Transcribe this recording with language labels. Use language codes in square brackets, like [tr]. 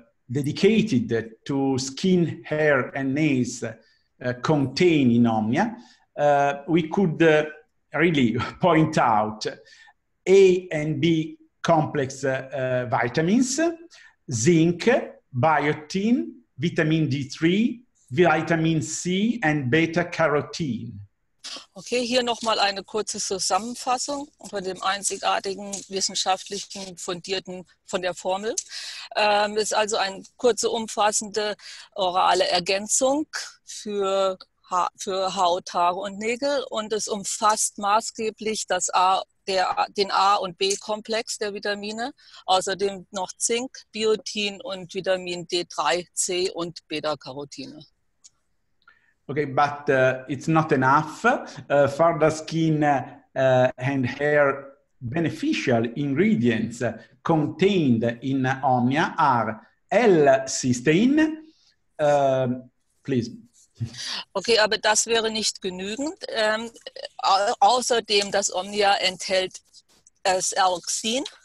[en] dedicated to skin, hair and nails contained in Omnia, we could really point out A and B complex vitamins, zinc, biotin, vitamin D3, vitamin C and beta-carotene. [de] Okay, hier nochmal eine kurze Zusammenfassung von dem einzigartigen wissenschaftlichen fundierten von der Formel. Ist also eine kurze umfassende orale Ergänzung für für Haut, Haare und Nägel und es umfasst maßgeblich das A, den A- und B-Komplex der Vitamine, außerdem noch Zink, Biotin und Vitamin D3, C und Beta-Carotine. [en] Okay, but it's not enough for the skin and hair. Beneficial ingredients contained in Omnia are L-Cysteine. Please. [de] Okay, aber das wäre nicht genügend. Außerdem, dass Omnia enthält L-Cysteine.